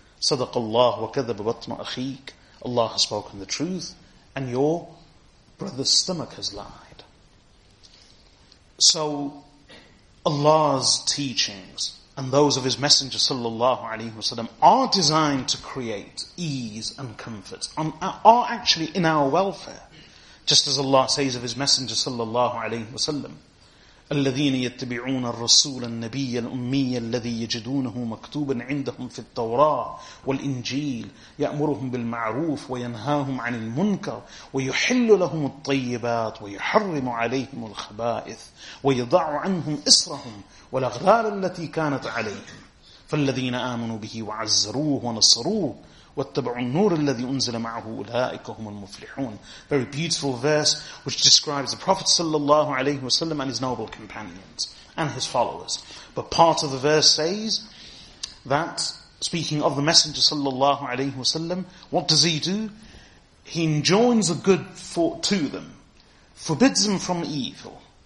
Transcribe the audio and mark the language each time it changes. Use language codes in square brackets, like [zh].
[ar] Sadaqallah wa kadhaba batna akhik. [en] Allah has spoken the truth and your brother's stomach has lied. So Allah's teachings and those of His Messenger sallallahu alayhi wa sallam are designed to create ease and comfort, are actually in our welfare. Just as Allah says of His Messenger sallallahu alayhi wa sallam, [ar] الَّذِينَ يَتَّبِعُونَ الرَّسُولَ النَّبِيَّ الْأُمِّيَّ الَّذِي يَجِدُونَهُ مَكْتُوبًا عِنْدَهُمْ فِي التَّوْرَاةِ وَالْإِنْجِيلِ يَأْمُرُهُمْ بِالْمَعْرُوفِ وَيَنْهَاهُمْ عَنِ الْمُنْكَرِ وَيُحِلُّ لَهُمُ الطَّيِّبَاتِ وَيُحَرِّمُ عَلَيْهِمُ الْخَبَائِثَ وَيَضَعُ عَنْهُمْ إِصْرَهُمْ وَالْأَغْلَالَ الَّتِي كَانَتْ عَلَيْهِمْ فَالَّذِينَ آمَنُوا بِهِ وَعَزَّرُوهُ وَنَصَرُوهُ وَاتَّبَعُوا النُّورَ الَّذِي أُنزِلَ مَعَهُ أُولَٰئِكَ هُمُ الْمُفْلِحُونَ. [en] Very beautiful verse which describes the Prophet sallallahu alayhi wa sallam and his noble companions and his followers. But part of the verse says that, speaking of the Messenger sallallahu alayhi wa sallam, what does he do? He enjoins a good to them, forbids them from evil.